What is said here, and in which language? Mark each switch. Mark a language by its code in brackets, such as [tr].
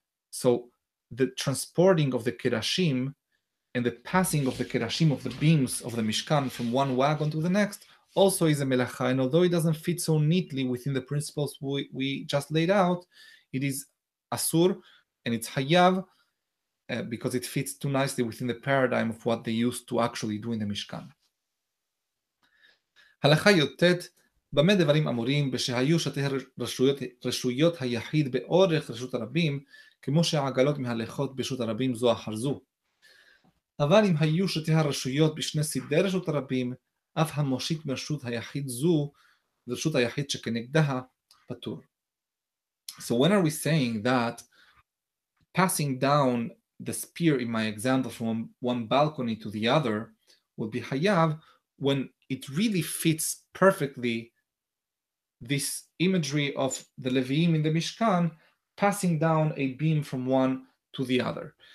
[en] So the transporting of the kerashim and the passing of the kerashim, of the beams of the Mishkan, from one wagon to the next, also is a melacha. And although it doesn't fit so neatly within the principles we just laid out, it is asur and it's hayav because it fits too nicely within the paradigm of what they used to actually do in the Mishkan. [he] Halacha yotet, במה דברים אמורים בשהיו שתי רשויות היחיד באורך רשות הרבים, כמו שהעגלות מהלכות ברשות הרבים זו אחר זו. אבל אם היו שתי הרשויות בשני סדרי רשות הרבים, אף המושיט מרשות היחיד זו, לרשות היחיד שכנגדה, פטור. [en] So when are we saying that passing down the spear in my example from one balcony to the other would be hayav, when it really fits perfectly this imagery of the Levim in the Mishkan passing down a beam from one to the other?